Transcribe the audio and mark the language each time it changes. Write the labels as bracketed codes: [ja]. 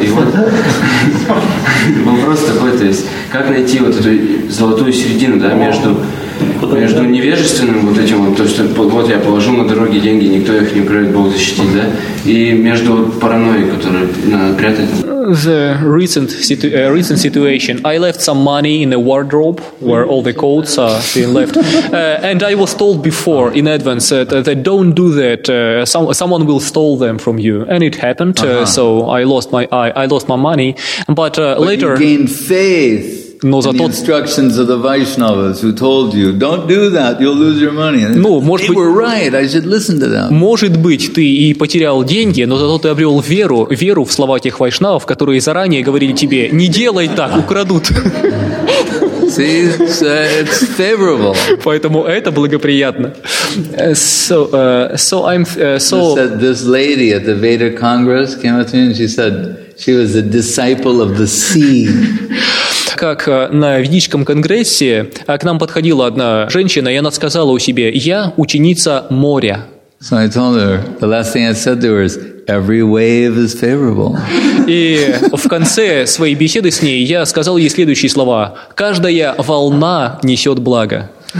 [ru] И вот вопрос такой, то есть, как найти вот эту золотую середину, да, между невежественным вот этим вот, то есть, вот я положил на дороге деньги, никто их не украдет, Бог защитит, да, и между паранойей, которую надо прятать. [en] The recent situation. I left some money in the wardrobe where all the coats are being left, and I was told before in advance that don't do that. Someone will stole them from you, and it happened. Uh-huh. So I lost my money. But later, you gained faith. No, the instructions of the Vaishnavas who told you, don't do that, you'll lose your money. They were right, I should listen to them. [ru] Может быть, ты и потерял деньги, но зато ты обрел веру в слова тех Вайшнавов, которые заранее говорили тебе, не делай так, украдут. [en] See, it's favorable. [ru] Поэтому это благоприятно. [en] This lady at the Veda Congress came up to me and she said, she was a disciple of the sea. [ru] Как на ведическом конгрессе к нам подходила одна женщина, и она сказала у себя, я ученица моря. [en] So I told her, the last thing I said to her is, every wave is favorable. [ru] И в конце своей беседы с ней я сказал ей следующие слова, каждая волна несет благо.